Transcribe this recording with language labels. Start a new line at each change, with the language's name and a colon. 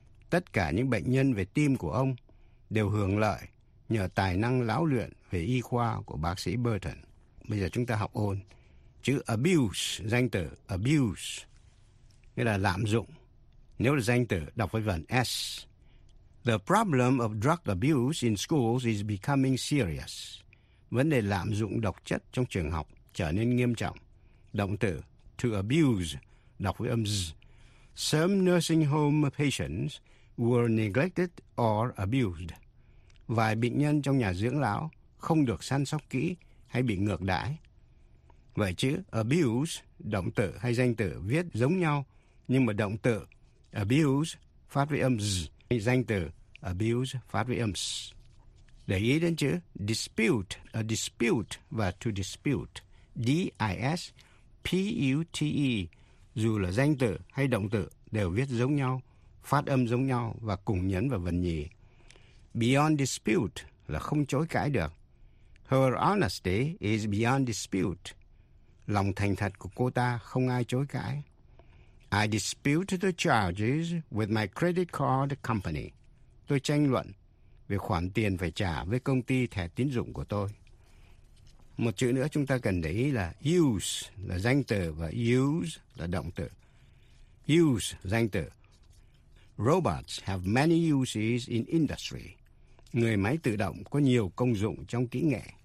Vietnamese: tất cả những bệnh nhân về tim của ông đều hưởng lợi nhờ tài năng lão luyện về y khoa của bác sĩ Burton. Bây giờ chúng ta học ôn chữ abuse, danh từ abuse nghĩa là lạm dụng. Nếu là danh từ đọc với vần s.
English: The problem of drug abuse in schools is becoming serious.
Vietnamese: Vấn đề lạm dụng độc chất trong trường học trở nên nghiêm trọng. Động từ to abuse đọc với âm z.
English: Some nursing home patients were neglected or abused.
Vietnamese: Vài bệnh nhân trong nhà dưỡng lão không được săn sóc kỹ hay bị ngược đãi. Vậy chữ abuse, động từ hay danh từ viết giống nhau, nhưng mà động từ abuse phát với âm z, danh từ abuse phát với âm s. Để ý đến chữ dispute, a dispute và to dispute, D-I-S-P-U-T-E, dù là danh từ hay động từ đều viết giống nhau, phát âm giống nhau và cùng nhấn vào vần nhì.
English: Beyond dispute
Vietnamese: là không chối cãi được.
English: Her honesty is beyond dispute.
Vietnamese: Lòng thành thật của cô ta không ai chối cãi.
English: I dispute the charges with my credit card company.
Vietnamese: Tôi tranh luận về khoản tiền phải trả với công ty thẻ tín dụng của tôi. Một chữ nữa chúng ta cần để ý là use là danh từ và use là động từ. Use, danh từ.
English: Robots have many uses in industry.
Vietnamese: Người máy tự động có nhiều công dụng trong kỹ nghệ.